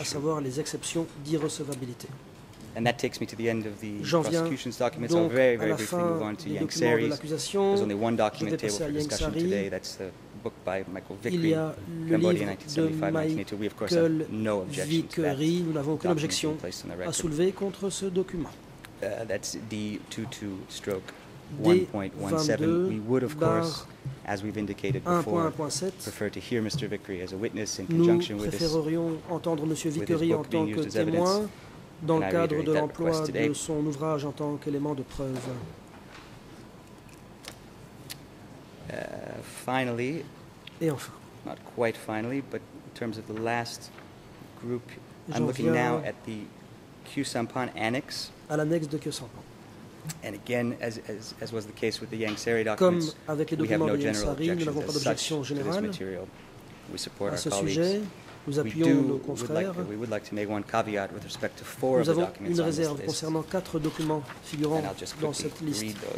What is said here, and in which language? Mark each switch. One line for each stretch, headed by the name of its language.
French: À savoir les exceptions d'irrecevabilité.
English: And that takes me to the end of the prosecution's documents. I'll very, very briefly move on to Yang Sari. There's only one document table for discussion today. That's the book by Michael Vickery, Cambodia, 1975-1982. We, of course, have no objection to that.
French: Nous n'avons aucune objection à soulever contre ce document.
English: That's D22-1.17. We would, of course, as we've indicated before, prefer to hear Mr. Vickery as a witness in conjunction with this book being used as evidence.
French: Dans le cadre de l'emploi de son ouvrage en tant qu'élément de preuve.
English: Finally,
French: et enfin,
English: not quite finally, but in terms of the last group, I'm looking now at the Khieu Samphan annex.
French: À l'annexe de Khieu Samphan.
English: And again, as was the case with the Yang Sari documents,
French: comme avec les documents de Yang Sari, nous n'avons pas d'objection générale.
English: We support our colleagues.
French: Nous appuyons nos confrères.
English: We would like to make one caveat with respect to four
French: nous
English: of the documents.
French: Nous avons une réserve concernant quatre documents figurant dans cette liste.